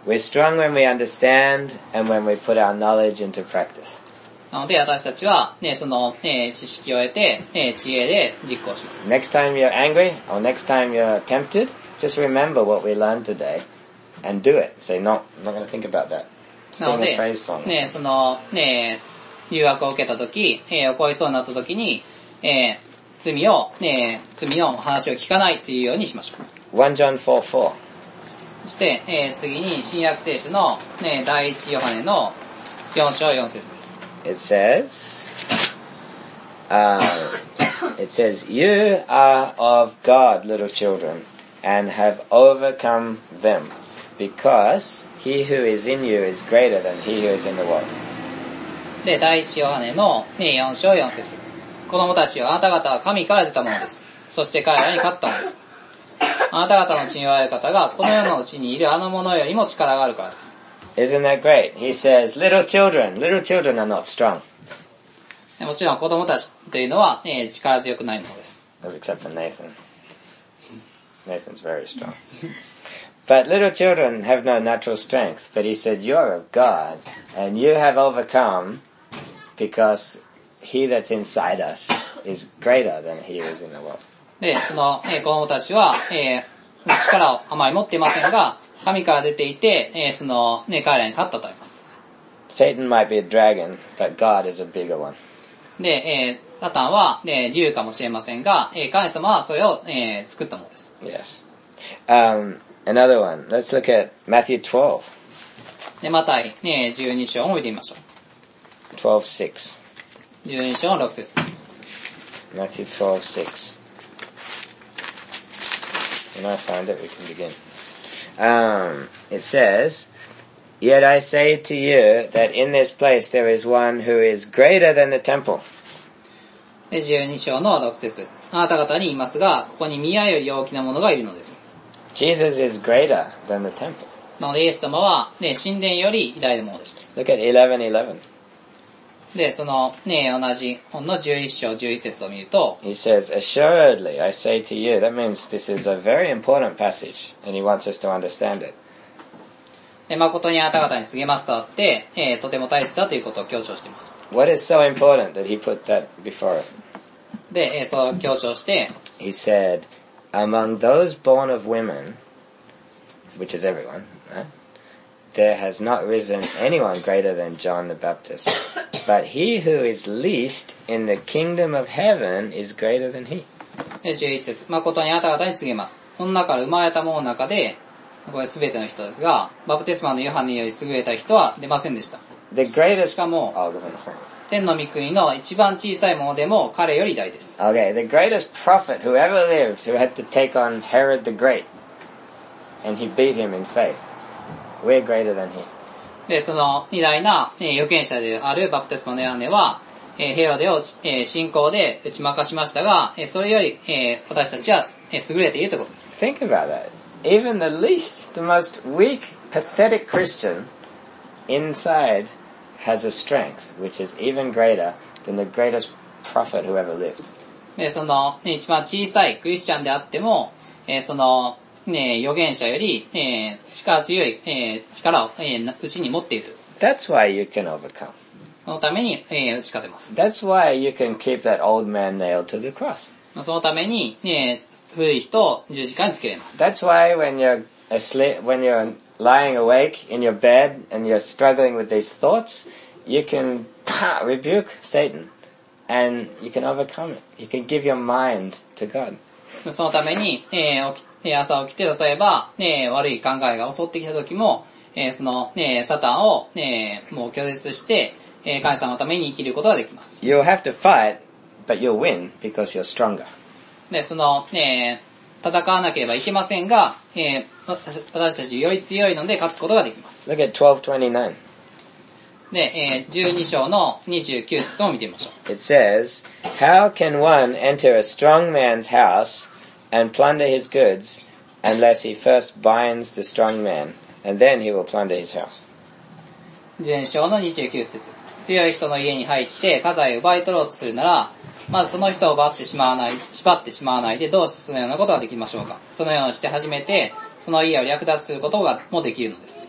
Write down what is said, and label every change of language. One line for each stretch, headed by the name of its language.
English: We're strong when we understand and when we put our knowledge into practice.
Japanese: なので、私たちは、ね、その、ね、知識を得て、ね、知恵で実行します。
English: Next time you're angry or next time you're tempted, just remember what we learned today and do it. Say, no, I'm not going to think about that. Sing a praise song.
Japanese: ね、その、ね、誘惑を受けたとき、怒りそうになったときに、罪を、ね、罪の話を聞かないというようにしましょう。
English: 1 John 4:4。
Japanese: そして、次に新約聖書の、ね、第一ヨハネの4章4節です。
English: It says, it says, you are of God, little children, and have overcome them, because he who is in you is greater than he who is in the world.
Japanese: で、第一ヨハネの、ね、4章4節。子供たちよ、あなた方は神から出たものです。そして彼らに勝ったのです。あなた方のうちにおられる方が、この世のうちにいるあの者よりも力があるからです。
English: Isn't that great? He says, little children, little children are not strong.
Japanese: もちろん子供たちというのは、ね、力強くないものです。
English: Except for Nathan. Nathan's very strong. But little children have no natural strength, but he said, you're of God, and you have overcome because he that's inside us is greater than he is in the world.
Japanese: で、その、子供たちは、力をあまり持っていませんが、神から出ていて、その、彼らに勝ったと言います。
English: Satan might be a dragon, but God is a bigger one.
Japanese: で、サタンは、竜かもしれませんが、神様はそれを、作ったものです。
English: Yes. Another one. Let's look at Matthew 12.
Japanese: で、マタイ、ね、12章を見てみましょう。
English: 12:6.
Japanese: 12章の6節です。
English: Matthew 12:6. When I find it, we can begin. It says, Yet I say to you that in this place there is one who is greater than the temple.
Japanese: で、12章の6節。あなた方に言いますが、ここに宮より大きなものがいるのです。
English: Jesus is greater than the temple.
Japanese: なので、イエス様は、ね、神殿より偉大なものでした。
English: Look at 11:11.
Japanese: で、その、ね、同じ本の11章11節を見ると、
English: He says, Assuredly, I say to you, that means this is a very important passage, and he wants us to understand it.
Japanese: で、誠にあなた方に告げますとあって、とても大切だということを強調しています。
English: What is so important that he put that before it?
Japanese: で、そう強調して、
English: He said,Among those born of women, which is everyone, right? There has not risen anyone greater than John the Baptist. But he who is least in the kingdom of heaven is greater than he.
Japanese: 11節、誠にあなた方に告げます。その中から生まれた者の中で、これ全ての人ですが、バプテスマのヨハネより優れた人は出ませんでした。
English: The greatest...
Japanese: しかも、 oh, ごめんなさい。天の御国の一番小さいものでも彼より大です。
English: Okay, the greatest prophet who ever lived who had to take on Herod the Great and he beat him in faith. We're greater than he.
Japanese: で、その偉大な、預言者であるバプテスマのヨハネは、ヘロデを、信仰で打ち負かしましたが、それより、私たちは、優れているということです。
English: Think about that. Even the least, the most weak, pathetic Christian insideHas a strength which is even greater than the greatest prophet who ever lived.
Japanese: で、その、ね、一番小さいクリスチャンであっても、その、ね、預言者より、力強い、力を、内に持っている。
English: That's why you can overcome.
Japanese: そのために、打ち勝てます。
English: That's why you can keep that old man nailed to the cross.
Japanese: そのために、ね、古い人を十字架につけれます。
English: That's why when you're asleep, when youreLying awake in your bed and you're struggling with these thoughts, you can rebuke Satan and you can overcome it. You can give your mind to God.
Japanese: そのために、朝起きて例えば、ね、悪い考えが襲ってきた時も、その、ね、サタンを、ね、もう拒絶して、神様のために生きることができます。
English: You'll have to fight, but you'll win because you're stronger.
Japanese: で、その、ね、戦わなければいけませんが、私たちより強いので勝つことができます。
English: Look at 12:29.
Japanese: で、12章の29節を見てみましょう。
English: It says, How can one enter a strong man's house and plunder his goods unless he first binds the strong man, and then he will plunder his house?
Japanese: 12章の29節。強い人の家に入って家財を奪い取ろうとするなら、まずその人を縛ってしまわない、縛ってしまわないでどうしてそのようなことができましょうか。そのようにして初めて、その家を略奪することがもできるのです。